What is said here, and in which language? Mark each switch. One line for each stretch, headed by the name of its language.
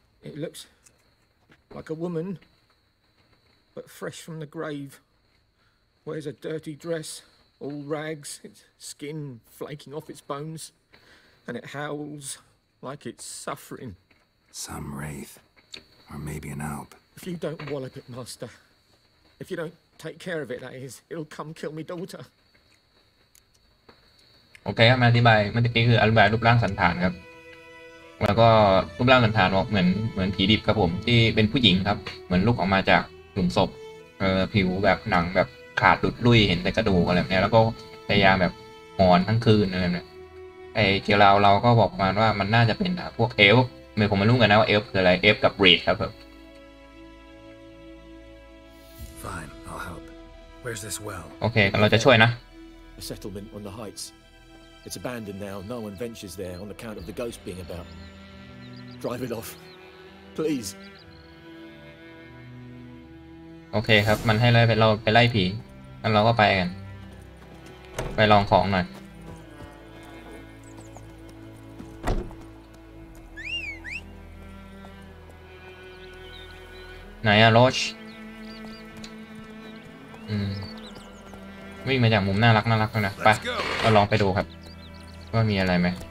English: It looks like a woman but fresh from the grave wears a dirty dress all rags its skin flaking off its bones and it howls like it's suffering some wraith or maybe an alp if you don't wallop it master if you don't take care of it that is it'll come kill me daughter
Thai: โอเคมาอธิบายมันคืออธิบายรูปร่างสันฐานครับแล้วก็รูปร่างสันฐานออกเหมือนผีดิบครับผมที่เป็นผู้หญิงครับเหมือนลุกออกมาจากหลุมศพผิวแบบหนังแบบขาดหลุดลุ่ยเห็นแต่กระดูกอะไรแบบนี้แล้วก็พยายามแบบหอนทั้งคืนอะไรแบบนี้ไอ้เจลาวเราก็บอกมาว่ามันน่าจะเป็นพวกเอลฟ์ไม่ผมมารู้กันนะว่าเอลฟ์คืออะไรเอลฟ์กับเรดครับผม
English: Fine I'll help Where's this well
Thai: โอเคเราจะช่วยนะ
English: A settlement on the heights It's abandoned now no one ventures there on account of the ghost being about Drive it off Please
Thai: โอเคครับมันให้ไล่ไปเราไปไล่ผีงั้นเราก็ไปกันไปลองของหน่อยไหนอะโรชวิ่งมาจากมุมน่ารักเลยนะไปเราลองไปดูครับว่ามีอะไรไหม